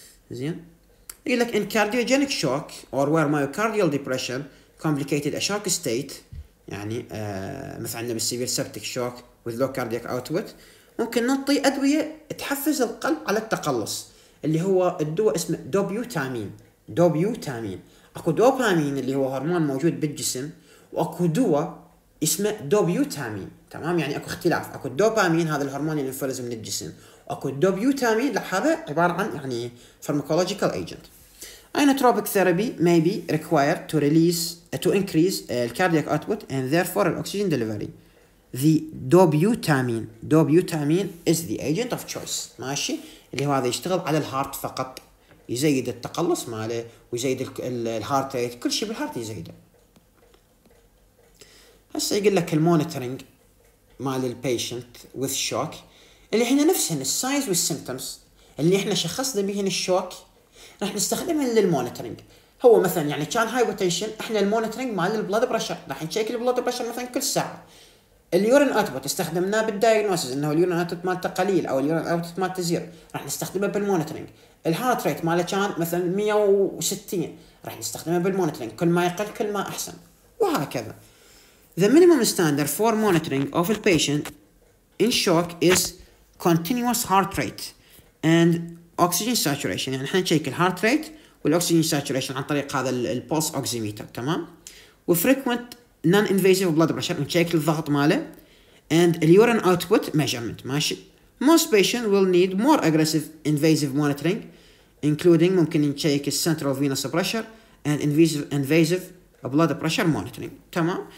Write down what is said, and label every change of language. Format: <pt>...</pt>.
<ar>زين. يقول لك</ar> <en>ان cardiogenic shock or where myocardial depression complicated a shock state,</en> <ar>يعني مثلا عندنا بالسيفير سبتك شوك</ar> <en>with low cardiac output,</en> <ar>ممكن نعطي ادويه تحفز القلب على التقلص، اللي هو الدواء اسمه دوبيوتامين. دوبيوتامين اكو دوبامين اللي هو هرمون موجود بالجسم، واكو دواء اسمه دوبيوتامين. تمام. يعني اكو اختلاف، اكو الدوبامين هذا الهرمون اللي ينفرز من الجسم، واكو الدوبيوتامين هذا عباره عن يعني فارماكولوجيكال ايجنت.</ar> <en>Ionotropic therapy may be required to release to increase cardiac output and therefore an oxygen delivery. The dobutamine is the agent of choice.</en> <ar>ماشي. اللي هو هذا يشتغل على الهارت فقط، يزيد التقلص ماله ويزيد الهارت ريت، كل شيء بالهارت يزيده. هسه يقول لك المونيتورينج مال البيشنت</ar> <en>with shock،</en> <ar>اللي احنا نفسه السايز والسيمتومز اللي احنا شخصنا بهن الشوك راح نستخدمه للمونيتورنج. هو مثلا يعني كان هايبوتنشن، احنا المونيتورنج مال البلاد بريشر، راح نشيك البلاد بريشر مثلا كل ساعه. اليورين اوتبوت استخدمناه بالدايجنوسيس انه اليورين اوتبوت مالته قليل او اليورين اوتبوت مالته زير، راح نستخدمه بالمونيتورنج. الهارت ريت ماله كان مثلا 160، راح نستخدمه بالمونيتورنج، كل ما يقل كل ما احسن، وهكذا.</ar> <en>The minimum standard for monitoring of a patient in shock is continuous heart rate and oxygen saturation.</en> <ar>يعني احنا نشيك الهارت ريت والاكسجين ساتوريشن عن طريق هذا البولس اوكسيميتر. تمام.</ar> <en>وفريكوينت non invasive blood pressure,</en> <ar>نشيك الضغط ماله.</ar> <en>And اليورين output measurement. ماشي. Most patient will need more aggressive invasive monitoring including,</en> <ar>ممكن نشيك</ar> <en>السنترال venous pressure and invasive blood pressure monitoring. تمام.</en>